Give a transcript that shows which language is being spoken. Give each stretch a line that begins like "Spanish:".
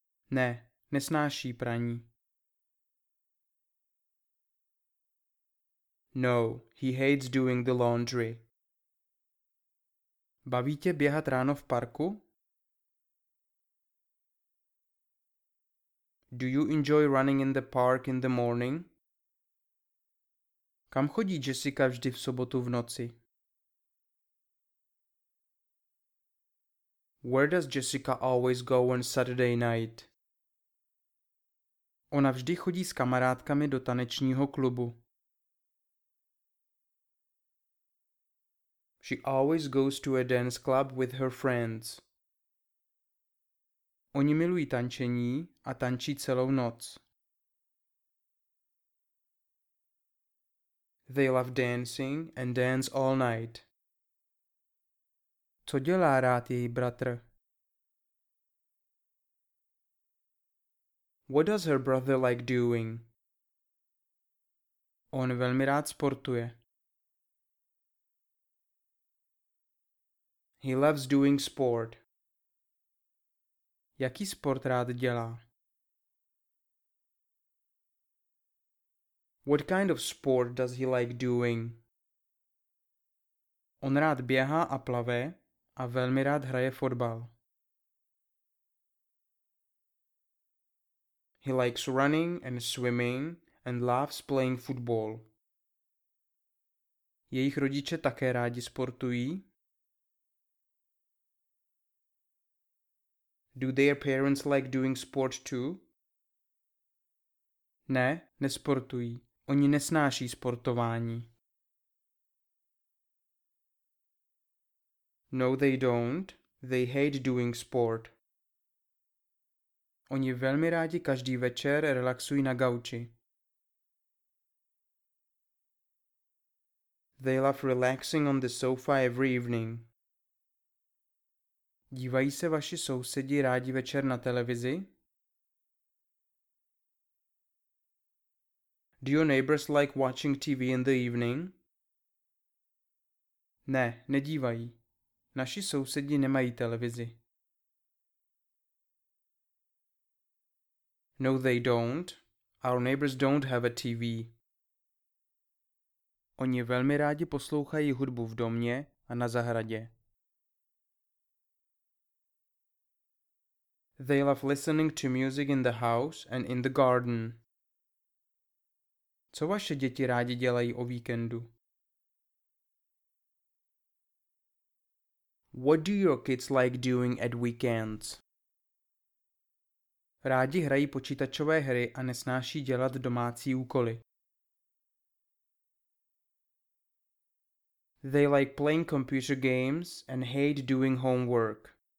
Czech: Ne, nesnáší praní.
English: No, he hates doing the laundry.
Czech: Baví tě běhat ráno v parku?
English: Do you enjoy running in the park in the morning?
Czech: Kam chodí Jessica vždy v sobotu v noci?
English: Where does Jessica always go on Saturday night?
Czech: Ona vždy chodí s kamarádkami do tanečního klubu.
English: She always goes to a dance club with her friends.
Czech: Oni milují tančení a tančí celou noc.
English: They love dancing and dance all night.
Czech: Co dělá rád její bratr?
English: What does her brother like doing?
Czech: On velmi rád sportuje.
English: He loves doing sport.
Czech: Jaký sport rád dělá?
English: What kind of sport does he like doing?
Czech: On rád běhá a plave a velmi rád hraje fotbal.
English: He likes running and swimming and loves playing football.
Czech: Jejich rodiče také rádi sportují?
English: Do their parents like doing sport too?
Czech: Ne, nesportují. Oni nesnáší sportování.
English: No, they don't. They hate doing sport.
Czech: Oni velmi rádi každý večer relaxují na gauči.
English: They love relaxing on the sofa every evening.
Czech: Dívají se vaši sousedi rádi večer na televizi?
English: Do your neighbors like watching TV in the evening?
Czech: Ne, nedívají. Naši sousedi nemají televizi.
English: No, they don't. Our neighbors don't have a TV.
Czech: Oni velmi rádi poslouchají hudbu v domě a na zahradě.
English: They love listening to music in the house and in the garden.
Czech: Co vaše děti rádi dělají o víkendu?
English: What do your kids like doing at weekends?
Czech: Rádi hrají počítačové hry a nesnáší dělat domácí úkoly.
English: They like playing computer games and hate doing homework.